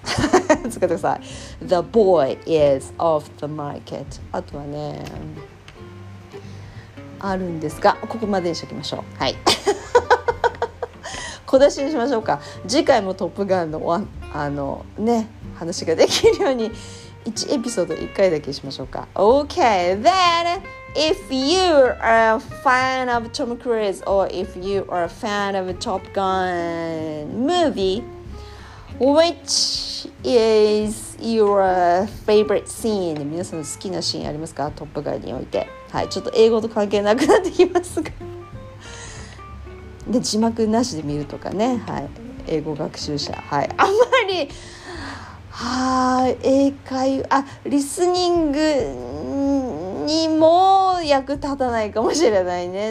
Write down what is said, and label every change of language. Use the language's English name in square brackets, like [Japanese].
[English] 使ってください。 The boy is off the market。 [Japanese] あとはね、あるんですが、ここまでにしときましょう。はい。小出しにしましょうか。次回もトップガンの、あのね、話ができるように1エピソード1回だけしましょうか。 [English] OK, then if you are a fan of Tom Cruise or if you are a fan of a Top Gun movie, which is your favorite scene? [Japanese] 皆さんの好きなシーンありますか、トップガンにおいて。はい、ちょっと英語と関係なくなってきますが、で字幕なしで見るとかね、はい、英語学習者、はい、あまり、はあ、英会話、あ、リスニングにも役立たないかもしれないね。